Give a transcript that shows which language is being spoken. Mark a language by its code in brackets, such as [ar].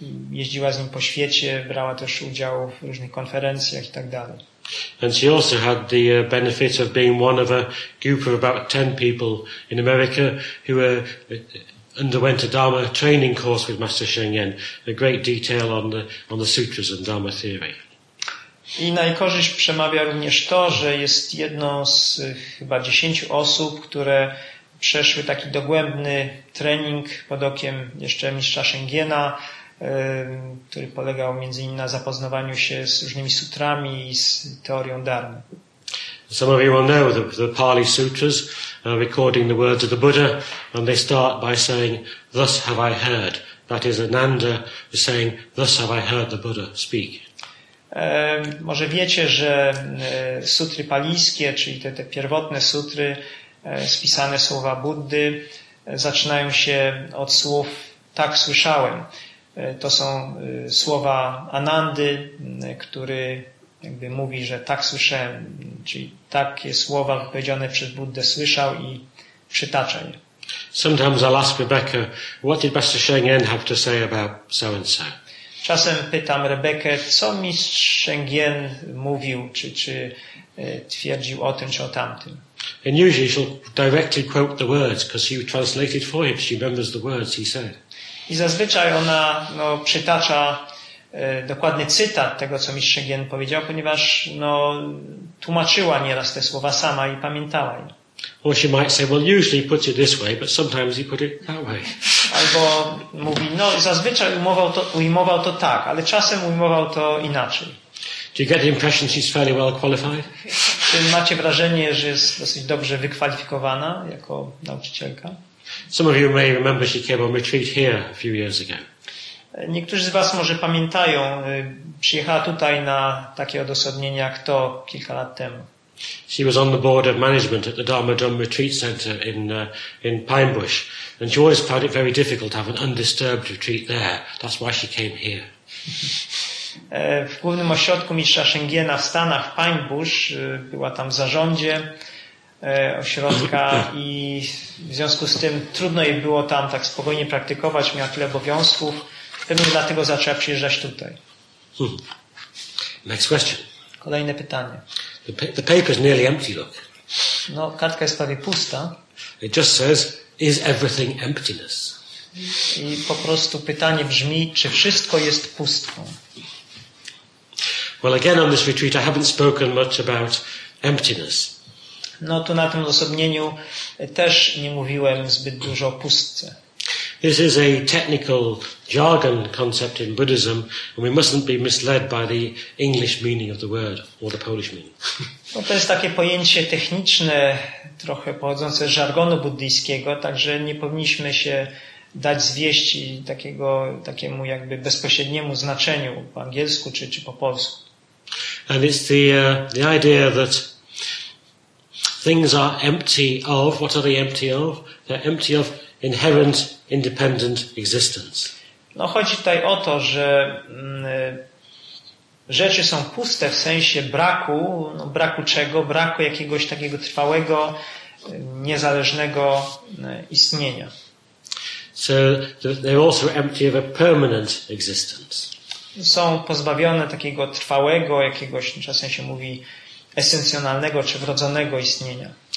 [pl] Jeździła z nim po świecie, brała też udział w różnych konferencjach i tak dalej. [en] And she also had the benefit of being one of a group of about 10 people in America who underwent a Dharma training course with Master Shengen, a great detail on the sutras and Dharma theory. [pl] I na jej korzyść przemawia również to, że jest jedną z chyba 10 osób, które przeszły taki dogłębny trening pod okiem jeszcze mistrza Shengena, który polegał między innymi na zapoznawaniu się z różnymi sutrami i z teorią dharmy. [en] Some of you will know the Pali Sutras, recording the words of the Buddha, and they start by saying, "Thus have I heard." That is, Ananda was saying, "Thus have I heard the Buddha speak." [pl] Może wiecie, że sutry palijskie, czyli te pierwotne sutry, spisane słowa Buddy, zaczynają się od słów "tak słyszałem". To są słowa Anandy, który jakby mówi, że tak słyszałem, czyli takie słowa wypowiedziane przez Buddę słyszał i przytacza je. [en] Sometimes I'll ask Rebecca, what did Master Shengen have to say about so and so? [pl] Czasem pytam Rebekę, co mistrz Shengen mówił, czy twierdził o tym, czy o tamtym. [en] And usually she'll directly quote the words, because he translated for him. She remembers the words he said. [pl] I zazwyczaj ona przytacza dokładny cytat tego, co mistrz Shengen powiedział, ponieważ tłumaczyła nieraz te słowa sama i pamiętała je. [en] Or she might say, well, usually he puts it this way, but sometimes he put it that way. [pl] Albo mówi, zazwyczaj ujmował to tak, ale czasem ujmował to inaczej. [en] Do you get the impression she's fairly well qualified? [pl] Czy macie wrażenie, że jest dosyć dobrze wykwalifikowana jako nauczycielka? [en] Some of you may remember she came on retreat here a few years ago. [pl] Niektórzy z was może pamiętają, przyjechała tutaj na takie odosobnienie jak to kilka lat temu. [en] She was on the board of management at the Dharma Drum Retreat Center in Pine Bush, and she always found it very difficult to have an undisturbed retreat there. That's why she came here. [pl] W głównym ośrodku mistrza Shengena w Stanach, w Pine Bush, była tam w zarządzie ośrodka i w związku z tym trudno jej było tam tak spokojnie praktykować, miała tyle obowiązków, pewnie dlatego zaczęła przyjeżdżać tutaj. [en] Next question. [pl] Kolejne pytanie. [en] The paper is nearly empty, look. [pl] No, kartka jest prawie pusta. [en] It just says, is everything emptiness? [pl] I po prostu pytanie brzmi, czy wszystko jest pustką? [en] Well, again on this retreat I haven't spoken much about emptiness. [pl] No, tu na tym osobnieniu też nie mówiłem zbyt dużo o pustce. [en] This is a technical jargon concept in Buddhism, and we mustn't be misled by the English meaning of the word or the Polish meaning. [pl] No, to jest takie pojęcie techniczne, trochę pochodzące z żargonu buddyjskiego, także nie powinniśmy się dać zwieść takiemu jakby bezpośredniemu znaczeniu po angielsku czy po polsku. [en] And it's the idea that things are empty of, what are they empty of? They're empty of inherent independent existence. [pl] No, chodzi tutaj o to, że rzeczy są puste w sensie braku, no, braku czego? Braku jakiegoś takiego trwałego, niezależnego istnienia. [en] So they're also empty of a permanent existence. [pl] Są pozbawione takiego trwałego, jakiegoś, czasem się mówi, esencjonalnego czy wrodzonego istnienia.